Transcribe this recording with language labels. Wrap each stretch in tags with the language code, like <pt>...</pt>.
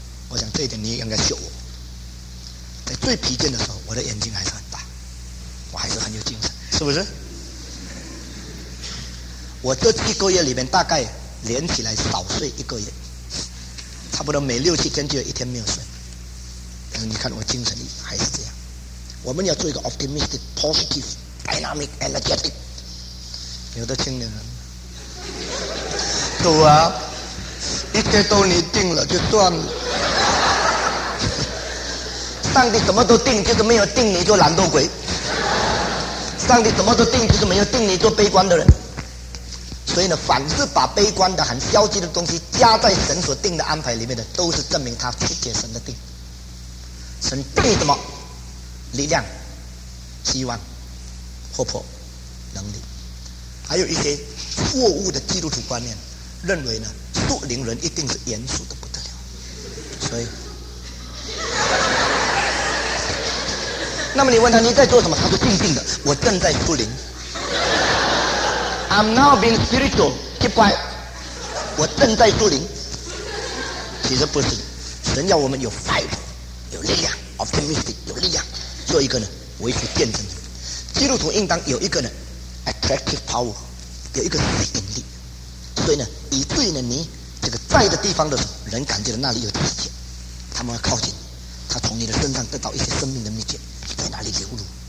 <zh>我想这一点你也应该秀我。在最疲倦的时候，我的眼睛还是很大，我还是很有精神，是不是？我这一个月里面大概连起来少睡一个月，差不多每六七天就有一天没有睡。但是你看我精神力还是这样。我们要做一个</zh> <en>optimistic, positive, dynamic, energetic。</en> <zh>有的青年人主啊，一切都你定了就算了，上帝什么都定，就是没有定你做懒惰鬼。上帝什么都定，就是没有定你做悲观的人。所以呢，凡是把悲观的很消极的东西加在神所定的安排里面的，都是证明他曲解神的定。神定什么？力量、希望、活泼、能力，还有一些错误的基督徒观念，认为呢，属灵人一定是严肃的不得了。所以，那么你问他你在做什么，他说静静的，我正在属灵。</zh> <en>I'm now being spiritual, keep quiet。</en> <zh>我正在属灵。其实不是，神要我们有 fight， 有力量， optimistic， 有力量。做一个呢维持见证，基督徒应当有一个呢</zh> <en>attractive power，</en> <zh>有一个吸引力。所以呢，以至于呢你这个在的地方的时候，人感觉到那里有世界，他们会靠近，他从你的身上得到一些生命的秘诀，在那里流露。</zh>